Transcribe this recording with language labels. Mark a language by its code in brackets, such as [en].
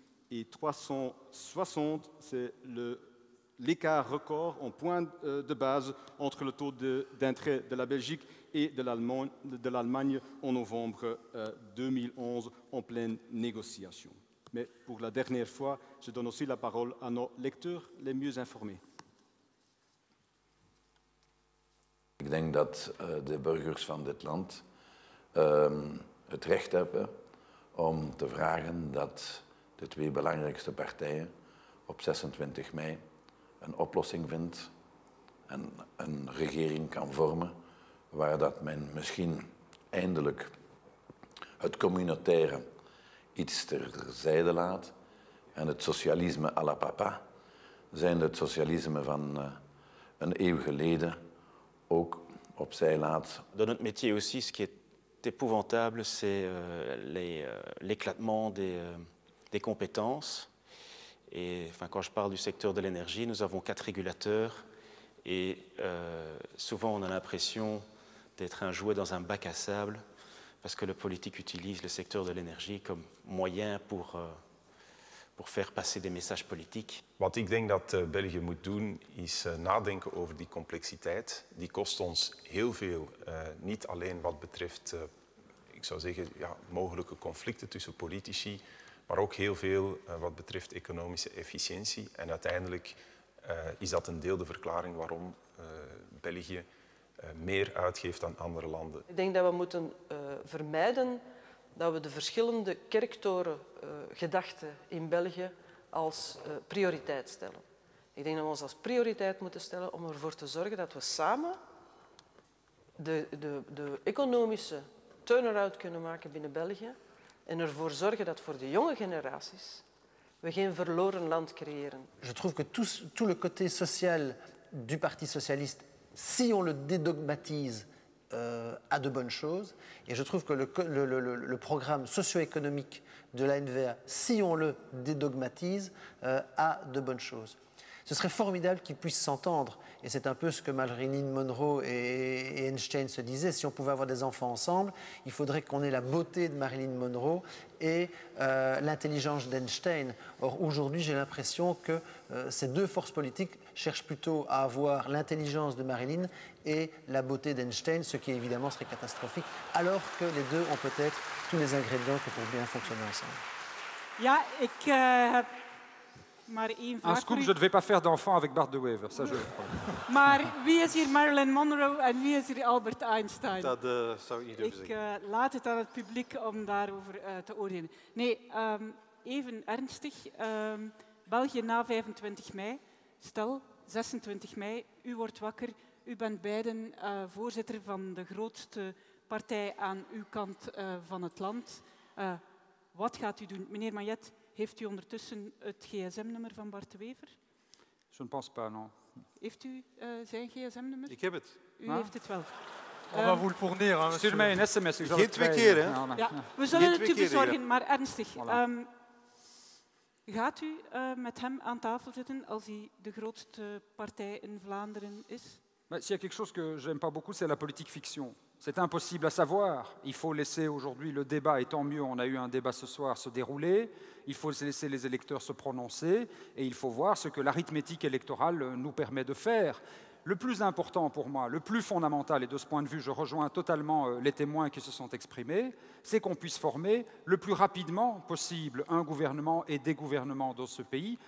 [fr] Et 360, c'est l'écart record en point de base entre le taux d'intérêt de la Belgique et de l'Allemagne en novembre 2011 en pleine négociation. Mais pour la dernière fois, je donne aussi la parole à nos lecteurs les mieux informés. [nl] Ik denk dat de burgers van dit land het recht hebben om te vragen dat de twee belangrijkste partijen op 26 mei een oplossing vindt en een regering kan vormen waar dat men misschien eindelijk het communautaire iets terzijde laat en het socialisme à la papa, zijnde het socialisme van een eeuw geleden, ook opzij laat. [fr] Dans notre métier aussi, ce qui est épouvantable, c'est l'éclatement des compétences. Et enfin, quand je parle du secteur de l'énergie, nous avons quatre régulateurs et souvent on a l'impression d'être un jouet dans un bac à sable parce que le politique utilise le secteur de l'énergie comme moyen pour faire passer des messages politiques. [nl] Wat ik denk dat België moet doen, is nadenken over die complexiteit. Die kost ons heel veel, niet alleen wat betreft, ik zou zeggen, ja, mogelijke conflicten tussen politici, maar ook heel veel wat betreft economische efficiëntie. En uiteindelijk is dat een deel de verklaring waarom België meer uitgeeft dan andere landen. Ik denk dat we moeten vermijden dat we de verschillende kerktorengedachten in België als prioriteit stellen. Ik denk dat we ons als prioriteit moeten stellen om ervoor te zorgen dat we samen de economische turnaround kunnen maken binnen België en ervoor zorgen dat voor de jonge generaties we geen verloren land creëren. [fr] Je trouve que tout le côté social du Parti Socialiste, si on le dédogmatise, a de bonnes choses. Et je trouve que le programme socio-économique de la NVA, si on le dédogmatise, a de bonnes choses. Ce serait formidable qu'ils puissent s'entendre. Et c'est un peu ce que Malrinin, Monroe et Einstein se disaient. Si on pouvait avoir des enfants ensemble, il faudrait qu'on ait la beauté de Marilyn Monroe et l'intelligence d'Einstein. Or, aujourd'hui, j'ai l'impression que ces deux forces politiques cherchent plutôt à avoir l'intelligence de Marilyn et la beauté d'Einstein, ce qui, évidemment, serait catastrophique, alors que les deux ont peut-être tous les ingrédients pour bien fonctionner ensemble. Yeah, Un scoop, je ne vais pas faire d'enfant avec Bart de Wever, ça je le crois. [nl] Maar wie is hier Marilyn Monroe en wie is hier Albert Einstein? Dat zou ik niet durven zeggen. Ik laat het aan het publiek om daarover te oordelen. Nee, even ernstig. België na 25 mei, stel 26 mei, u wordt wakker. U bent beiden voorzitter van de grootste partij aan uw kant van het land. Wat gaat u doen, meneer Mayet? Heeft u ondertussen het gsm-nummer van Bart de Wever? [fr] Je ne pense pas, non. [nl] Heeft u zijn gsm-nummer? Ik heb het. U ah? Heeft het wel. [fr] On va vous le fournir. [nl] Stuur mij een sms. Geen twee keer, hè? Ja, we zullen het u bezorgen, maar ernstig. Voilà. Gaat u met hem aan tafel zitten als hij de grootste partij in Vlaanderen is? [fr] Mais s'il y a quelque chose que j'aime pas beaucoup, c'est la politique fiction. C'est impossible à savoir. Il faut laisser aujourd'hui le débat, et tant mieux, on a eu un débat ce soir, se dérouler. Il faut laisser les électeurs se prononcer et il faut voir ce que l'arithmétique électorale nous permet de faire. Le plus important pour moi, le plus fondamental, et de ce point de vue, je rejoins totalement les témoins qui se sont exprimés, c'est qu'on puisse former le plus rapidement possible un gouvernement et des gouvernements dans ce pays.